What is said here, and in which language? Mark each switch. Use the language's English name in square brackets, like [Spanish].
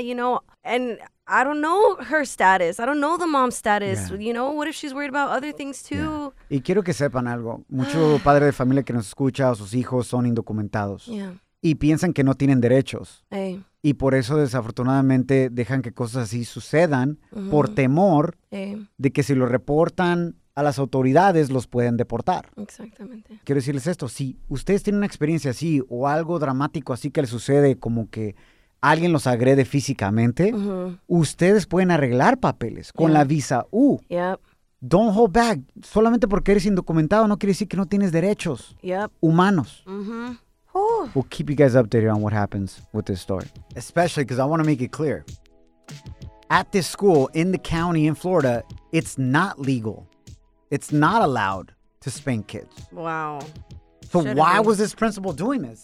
[English] You know, and I don't know her status. I don't know the mom's status. Yeah. You know, what if she's worried about other things too? Yeah. [Spanish] Y quiero que sepan algo. Mucho padre de familia que nos escucha, sus hijos son indocumentados. [English] Yeah. [Spanish] Y piensan que no tienen derechos. [English] Hey. [Spanish] Y por eso desafortunadamente dejan que cosas así sucedan por temor de que si lo reportan a las autoridades los pueden deportar. Exactamente. Quiero decirles esto. Si ustedes tienen una experiencia así o algo dramático así que les sucede, como que alguien los agrede físicamente, ustedes pueden arreglar papeles con la visa U. [English] Yep. Don't hold back. [Spanish] Solamente porque eres indocumentado no quiere decir que no tienes derechos humanos. Mm-hmm. [English] We'll keep you guys updated on what happens with this story. Especially because I want to make it clear. At this school in the county in Florida, it's not legal. It's not allowed to spank kids. Wow. So Why was this principal doing this?